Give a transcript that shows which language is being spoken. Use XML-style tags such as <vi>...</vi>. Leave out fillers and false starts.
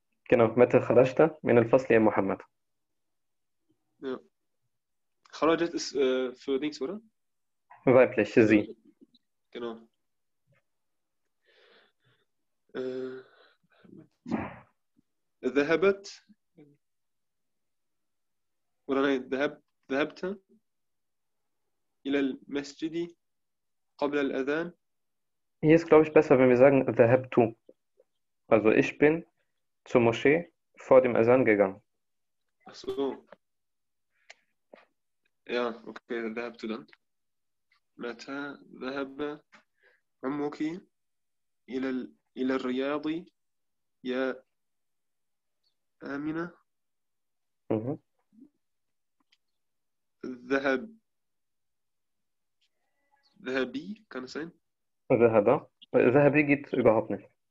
<ar>genau متى خرجت من الفصل يا محمد</ar> <de>خرجت ist für Dings, oder? Weiblich, sie. Genau.</de> <ar>ذهبت</ar> <de>oder nein,</de> <ar>ذهبت إلى المسجد قبل الأذان.</ar> <de>Hier ist, glaube ich, besser, wenn wir sagen ذهبت. Also ich bin zur Moschee vor dem Azan gegangen. Ach so. Ja, okay, dann ذهبت dann.</de> <ar>متى ذهب عمك إلى الرياض يا آمنة؟ ذهبي كان سين؟</ar> <de>ذهبي geht überhaupt nicht.</de>